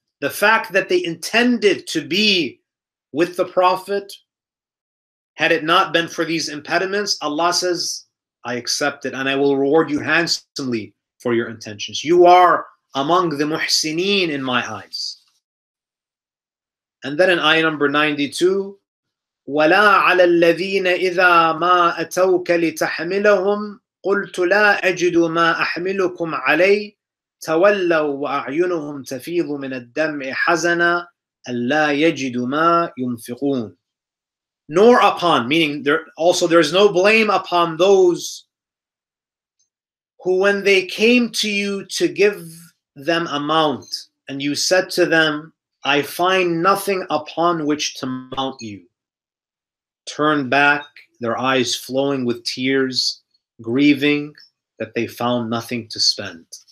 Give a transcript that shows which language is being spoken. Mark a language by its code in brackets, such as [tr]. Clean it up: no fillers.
[en] The fact that they intended to be with the Prophet, had it not been for these impediments, Allah says, I accept it and I will reward you handsomely for your intentions. You are among the muhsineen in my eyes. [ar] And then in ayah number 92, وَلَا عَلَى الَّذِينَ إِذَا مَا أَتَوْكَ لِتَحْمِلَهُمْ قُلْتُ لَا أَجِدُ مَا أَحْمِلُكُمْ عَلَيْهِ تَوَلَّوا وَأَعْيُنُهُمْ تَفِيضُ مِنَ الدَّمْعِ حَزَنًا أَلَّا يَجِدُ مَا يُنْفِقُونَ. [en] Nor upon, meaning there is no blame upon those who, when they came to you to give them amount, and you said to them, I find nothing upon which to mount you, turned back, their eyes flowing with tears, grieving that they found nothing to spend.